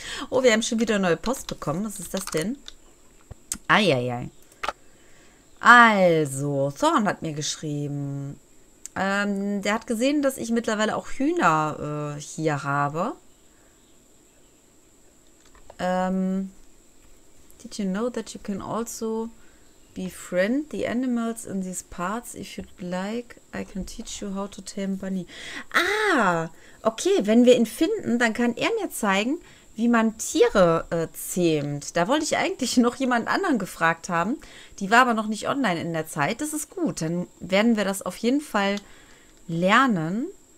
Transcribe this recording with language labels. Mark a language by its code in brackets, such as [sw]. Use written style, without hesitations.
[de] Oh, wir haben schon wieder neue Post bekommen. Was ist das denn? Eieiei. Also, Thorn hat mir geschrieben. Der hat gesehen, dass ich mittlerweile auch Hühner hier habe. [en] Did you know that you can also befriend the animals in these parts? If you'd like, I can teach you how to tame bunny. [de] Ah, okay, wenn wir ihn finden, dann kann er mir zeigen, wie man Tiere zähmt. Da wollte ich eigentlich noch jemand anderen gefragt haben. Die war aber noch nicht online in der Zeit. Das ist gut. Dann werden wir das auf jeden Fall lernen.